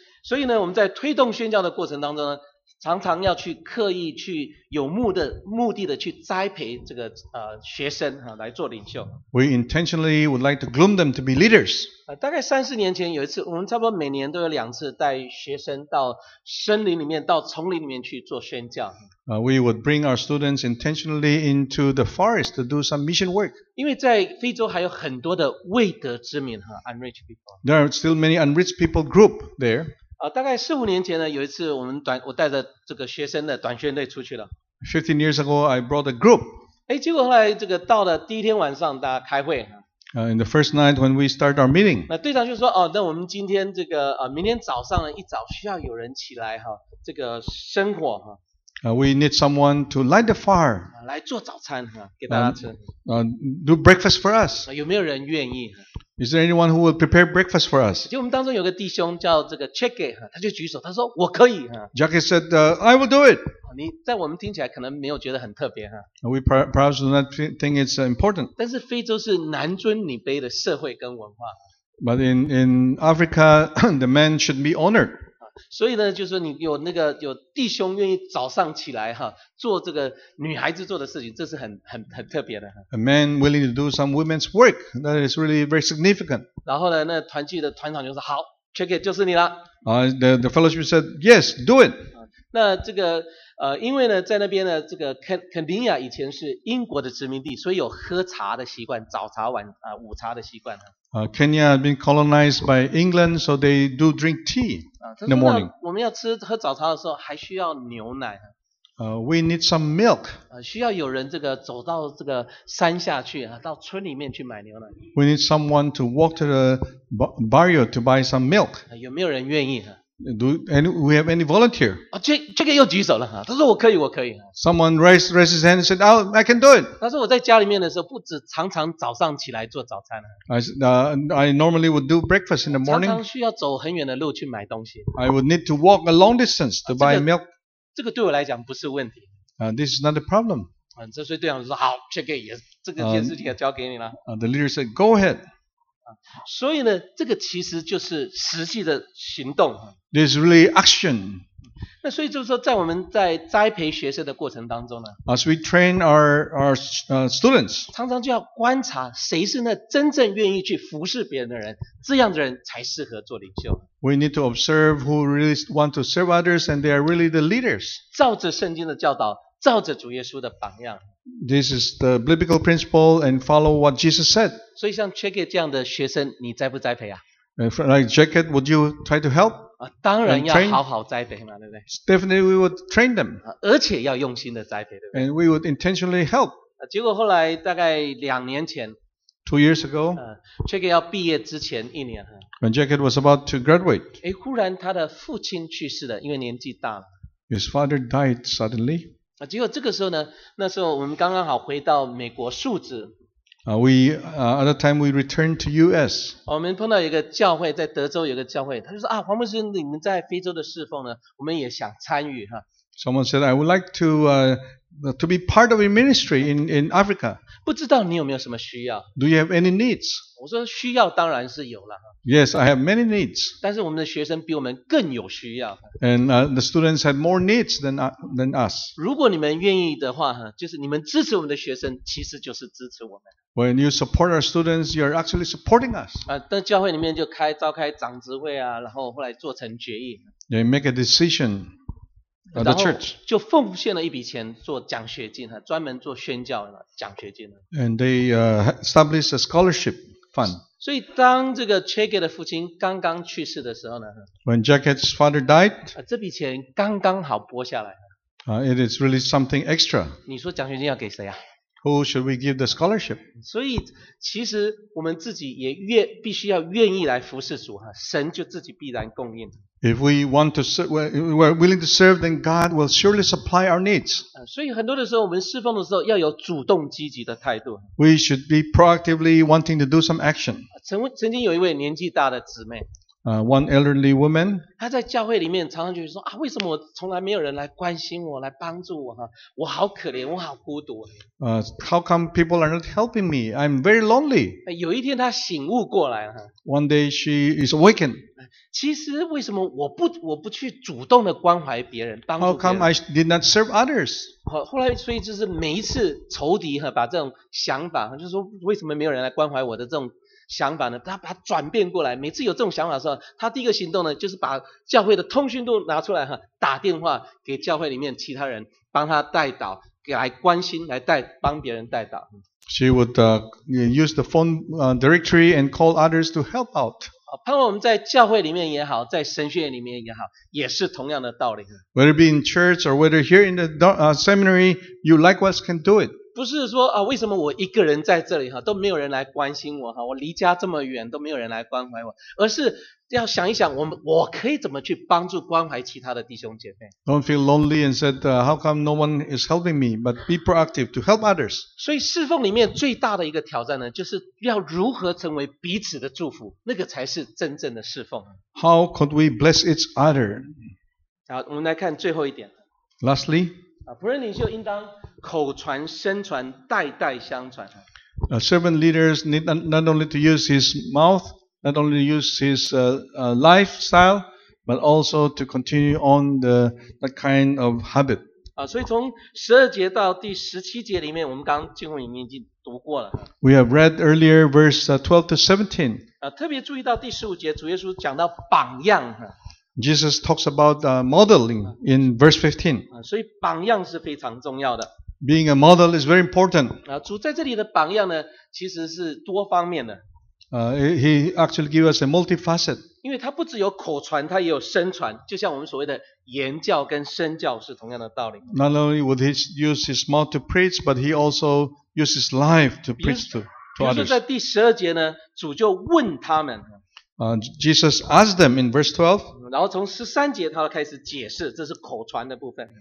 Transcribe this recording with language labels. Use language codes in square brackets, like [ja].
[zh] 所以呢，我们在推动宣教的过程当中呢，常常要去刻意去有目的的去栽培这个学生，来做领袖。 [en] We intentionally would like to groom them to be leaders. [zh] 大概3-4年前有一次，我们差不多每年都有2次带学生到森林里面、到丛林里面去做宣教。 [en] We would bring our students intentionally into the forest to do some mission work. [zh] 因为在非洲还有很多的未得之民和 [en] unreached people. There are still many unreached people group there. [zh] 大概4-5年前呢，有一次我带着这个学生的短宣队出去了。 [en] 15 years ago, I brought a group. [zh] 结果后来这个到了第一天晚上，大家开会。 [en] In the first night when we start our meeting. [zh] 那队长就说，那我们今天这个明天早上呢一早需要有人起来，这个生火。 [en] We need someone to light the fire. [zh] 来做早餐，给大家吃。 [en] Do breakfast for us. [zh] 有没有人愿意？ [en] Is there anyone who will prepare breakfast for us? [zh] 就我们当中有个弟兄叫这个 Jackie， 他就举手，他说我可以。 [en] Jackie said, I will do it. [zh] 你在我们听起来可能没有觉得很特别。 [en] We perhaps do not think it's important. [zh] 但是非洲是男尊女卑的社会跟文化。 [en] But in Africa, the men should be honored. [zh] 所以呢，就是你有那个有弟兄愿意早上起来，做这个女孩子做的事情，这是很特别的。 [en] A man willing to do some women's work, that is really very significant. [zh] 然后呢，那团契的团长就说：“好 ， [en] check it， [zh] 就是你了。 [en] ”The fellowship said, "Yes, do it." [zh] 那这个因为呢，在那边呢，这个肯尼亚以前是英国的殖民地，所以有喝茶的习惯，早茶晚午茶的习惯。 [en] Kenya has been colonized by England, so they do drink tea in the morning. [zh] 我们要吃喝早茶的时候，还需要牛奶。 [en] We need some milk. [zh] 需要有人这个走到这个山下去，到村里面去买牛奶。 [en] We need someone to walk to the barrio to buy some milk. [zh] 有没有人愿意？ [en] We have any volunteer? [zh] 这个又举手了，他说我可以。 [en] Someone raised his hand and said, "Oh, I can do it." [zh] 他说我在家里面的时候，不止常常早上起来做早餐。 [en] I normally would do breakfast in the morning. [zh] 常常需要走很远的路去买东西。 [en] I would need to walk a long distance to buy milk. [zh] 这个对我来讲不是问题。 [en] This is not a problem. [zh] 这所以队长说好，这件事情也交给你了。 [en] The leader said, "Go ahead." [zh] 所以呢，这个其实就是实际的行动。 [en] There's really action. [zh] 那所以就是说，在我们在栽培学生的过程当中呢 [en] ，As we train our students， [zh] 常常就要观察谁是那真正愿意去服侍别人的人，这样的人才适合做领袖。 [en] We need to observe who really want to serve others and they are really the leaders. [zh] 照着圣经的教导，照着主耶稣的榜样。 [en] This is the biblical principle and follow what Jesus said. [zh] 所以像 Jacket 这样的学生，你栽不栽培啊 [en] ？Like Jacket, would you try to help? [zh] 当然要好好栽培嘛，对不对？ [en] Definitely we would train them. [zh] 而且要用心的栽培，对不对？ [en] And we would intentionally help. [zh] 结果后来大概两年前， [en] Two years ago, [zh] Jack 要毕业之前一年， [en] When Jack was about to graduate, [zh] 诶，忽然他的父亲去世了，因为年纪大了。 [en] His father died suddenly. [zh] 结果这个时候呢，那时候我们刚刚好回到美国述职。 [en] At the time we returned to US. [zh] 我们碰到一个教会，在德州有个教会，他就说啊，黄牧师，你们在非洲的侍奉呢，我们也想参与哈。 [en] Someone said, I would like to be part of your ministry in Africa. [zh] 不知道你有没有什么需要？ [en] Do you have any needs? [zh] 我说需要当然是有了。 [en] Yes, I have many needs. [zh] 但是我们的学生比我们更有需要。 [en] And the students had more needs than us. [zh] 如果你们愿意的话，就是你们支持我们的学生，其实就是支持我们。 [en] When you support our students, you are actually supporting us. [zh] 在教会里面就开召开长执会啊，然后后来做成决议。 [en] They make a decision of the church. [zh] 然后就奉献了一笔钱做奖学金，专门做宣教奖学金。 [en] And they establish a scholarship fund. [zh] 所以当这个 Jacket 的父亲刚刚去世的时候呢， [en] When Jacket's father died, [zh] 这笔钱刚刚好拨下来。 [en] It is really something extra. [zh] 你说奖学金要给谁啊？ [en] Who should we give the scholarship? [zh] 所以其实我们自己也愿必须要愿意来服侍主，神就自己必然供应。 [en] If we want to serve, we're willing to serve, then God will surely supply our needs. [zh] 所以很多的时候我们侍奉的时候要有主动积极的态度。 [en] We should be proactively wanting to do some action. [zh] 曾经有一位年纪大的姊妹。 [en] One elderly woman. [zh] 她在教会里面常常就是说啊，为什么我从来没有人来关心我，来帮助我哈？我好可怜，我好孤独。 [en] How come people are not helping me? I'm very lonely. [zh] 有一天她醒悟过来哈。 [en] One day she is awakened. [zh] 其实为什么我不去主动的关怀别人，帮助别人 [en] ？How come I did not serve others? [zh] 后来所以就是每一次仇敌哈，把这种想法，就是说为什么没有人来关怀我的这种。想法呢，他把它转变过来。每次有这种想法的时候，他第一个行动呢，就是把教会的通讯录拿出来哈，打电话给教会里面其他人，帮他代祷，来关心，帮别人代祷。 [en] She would use the phone directory and call others to help out. [zh] 盼望我们在教会里面也好，在神学院里面也好，也是同样的道理。 [en] Whether be in church or whether here in the seminary, you likewise can do it. [zh] 不是说啊，为什么我一个人在这里哈，都没有人来关心我哈，我离家这么远都没有人来关怀我，而是要想一想我可以怎么去帮助关怀其他的弟兄姐妹。 [en] Don't feel lonely and said, how come no one is helping me? But be proactive to help others. [zh] 所以侍奉里面最大的一个挑战呢，就是要如何成为彼此的祝福，那个才是真正的侍奉。 [en] How could we bless each other? [zh] 好，我们来看最后一点。 [en] Lastly. [zh] 仆人领袖应当口传身传代代相传。 [en] Servant leaders need not only to use his mouth, not only to use his lifestyle, but also to continue on that kind of habit. [zh] 所以从十二节到第十七节里面，我们刚刚经文里面已经读过了。 [en] We have read earlier verse 12 to 17. [zh] 特别注意到第十五节，主耶稣讲到榜样。 [en] Jesus talks about modeling in verse 15. [zh] 所以榜样是非常重要的。 [en] Being a model is very important. [zh] 主在这里的榜样呢，其实是多方面的。 [en] He actually gives us a multifaceted. [zh] 因为他不只有口传，他也有身传，就像我们所谓的言教跟身教是同样的道理。 [en] Not only would he use his mouth to preach, but he also uses his life to preach to others. [zh] 比如说在第十二节呢，主就问他们。 [en] Jesus asked them in verse 12. [zh] 然后从十三节他开始解释，这是口传的部分。